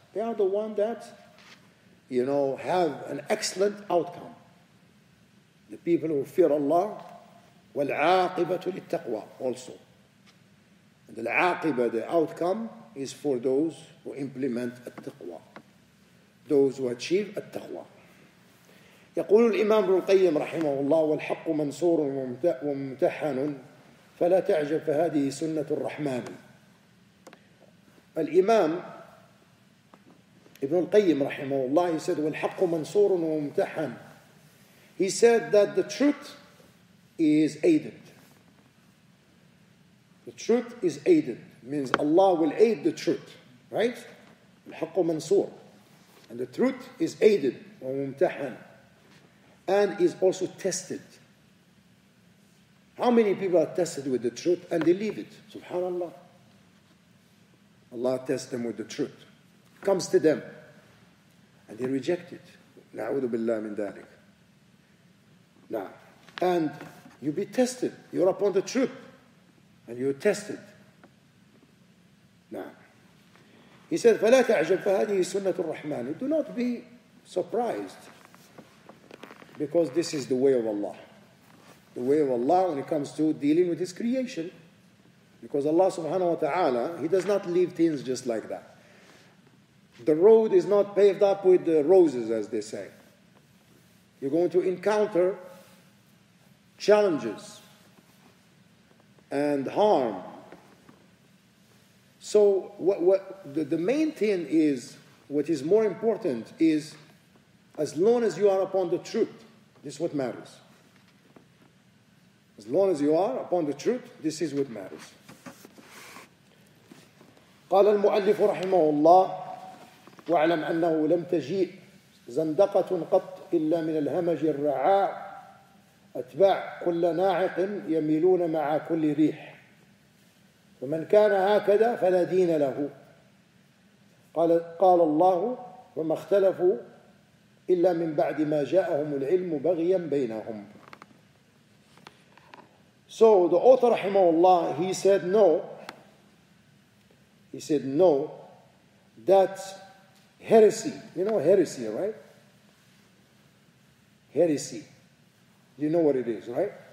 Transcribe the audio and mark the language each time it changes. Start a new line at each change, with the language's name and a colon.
English: They are the ones that, you know, have an excellent outcome. The people who fear Allah,
Arabic: وَالْعَاقِبَةُ لِلْتَّقْوَى
English: also. And the al-aqiba, the outcome, is for those who implement al-taqwa. Those who achieve al-taqwa.
Arabic: يقول الإمام ابن القيم رحمه الله والحق منصور وممتحن فلا تعجب فهذه سنة الرحمن. الإمام ابن القيم رحمه الله,
English: he said,
Arabic: والحق منصور وممتحن.
English: He said that the truth is aided. The truth is aided. Means Allah will aid the truth. Right?
Arabic: الحق منصور.
English: And the truth is aided, وممتحن, and is also tested. How many people are tested with the truth and they leave it? SubhanAllah. Allah tests them with the truth. Comes to them. And they reject it.
Arabic: نعوذ بالله من ذلك. نعم.
English: And you be tested. You're upon the truth. And you're tested. نعم. He said,
Arabic: فَلَا تَعْجَبْ فَهَذِهِ سُنَّةُ الرَّحْمَنِ.
English: Do not be surprised. Because this is the way of Allah. The way of Allah when it comes to dealing with His creation. Because Allah subhanahu wa ta'ala, He does not leave things just like that. The road is not paved up with roses, as they say. You're going to encounter challenges and harm. So the main thing is, what is more important is, as long as you are upon the truth, this is what matters. As long as you are upon the truth, this is what matters.
Arabic: قال المؤلف رحمه الله واعلم أنه لم تجيء زندقة قط إلا من الهمج الرعاع أتباع كل ناعق يميلون مع كل ريح ومن كان هكذا فلا دين له. قال الله وما اختلفوا إلا من بعد ما جاءهم العلم بغيا بينهم.
English: So the author
Arabic: رحمه الله,
English: he said no that heresy, you know heresy, right? Heresy, you know what it is, right?